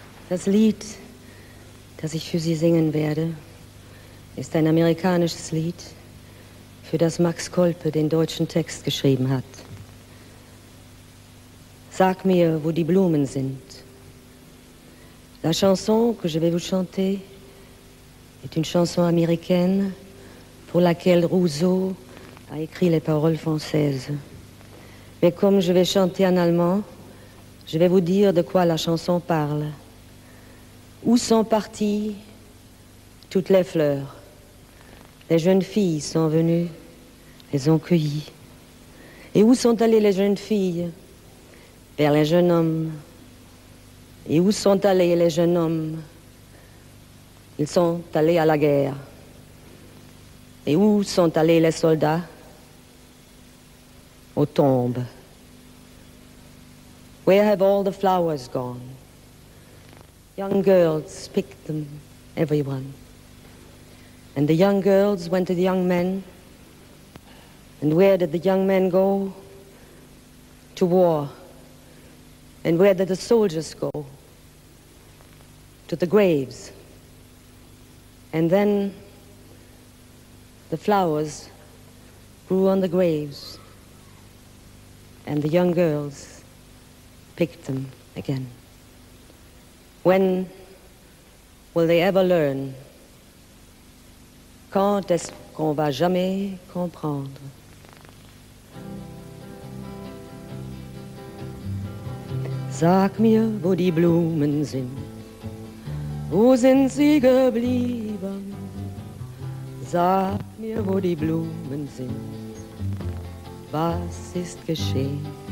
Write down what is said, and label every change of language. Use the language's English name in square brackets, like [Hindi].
[German] Das Lied, das ich für Sie singen werde, ist ein amerikanisches Lied, für das Max Kolpe den deutschen Text geschrieben hat. Sag mir, wo die Blumen sind. [French] La chanson que je vais vous chanter est une chanson américaine pour laquelle Rousseau a écrit les paroles françaises. Mais comme je vais chanter en allemand, je vais vous dire de quoi la chanson parle. Où sont parties toutes les fleurs? Les jeunes filles sont venues, les ont cueillies. Et où sont allées les jeunes filles? Vers les jeunes hommes. Et où sont allés les jeunes hommes? Ils sont allés à la guerre. Et où sont allés les soldats? Aux tombes. [English] Where have all the flowers gone? Young girls picked them, everyone. And the young girls went to the young men. And where did the young men go? To war. And where did the soldiers go? To the graves. And then the flowers grew on the graves. And the young girls picked them again. When will they ever learn? [French] Quand est-ce qu'on va jamais comprendre? [German] Sag mir, wo die Blumen sind. Wo sind sie geblieben? Sag mir, wo die Blumen sind. Was ist geschehen?